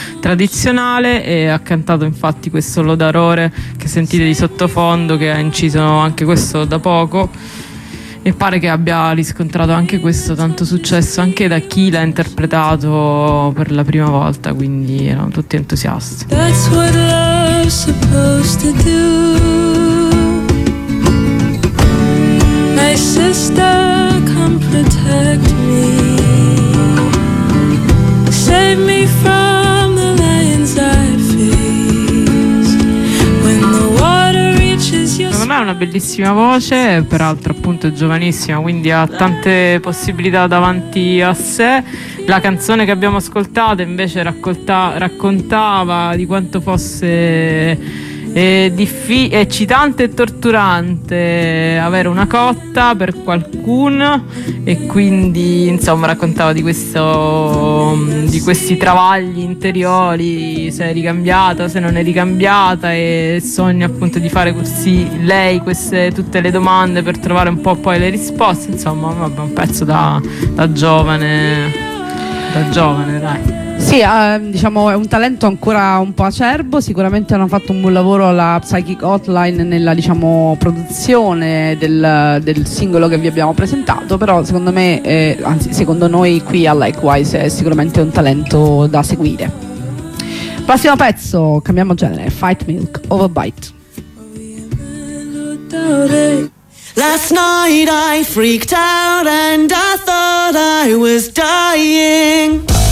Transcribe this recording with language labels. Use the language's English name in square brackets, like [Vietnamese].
[Italian] tradizionale, e ha cantato infatti questo Lodarore che sentite di sottofondo, che ha inciso anche questo da poco. E pare che abbia riscontrato anche questo tanto successo anche da chi l'ha interpretato per la prima volta, quindi erano tutti entusiasti. [English] That's what love's supposed to do. My sister, come protect me. Save me from the lions I face. When the water reaches your... [Italian] Secondo me ha una bellissima voce, peraltro appunto è giovanissima, quindi ha tante possibilità davanti a sé. La canzone che abbiamo ascoltato invece raccontava di quanto fosse eccitante e torturante avere una cotta per qualcuno, e quindi insomma raccontava di questo, di questi travagli interiori, se è ricambiata, se non è ricambiata, e sogna appunto di fare così lei queste tutte le domande per trovare un po' poi le risposte. Insomma, vabbè, un pezzo da giovane, dai. Sì, diciamo è un talento ancora un po' acerbo. Sicuramente hanno fatto un buon lavoro la Psychic Hotline nella, diciamo, produzione del singolo che vi abbiamo presentato. Però secondo me, anzi secondo noi qui a Likewise, è sicuramente un talento da seguire. Prossimo pezzo, cambiamo genere. [English] Fight Milk, Overbite. Last night I freaked out and I thought I was dying.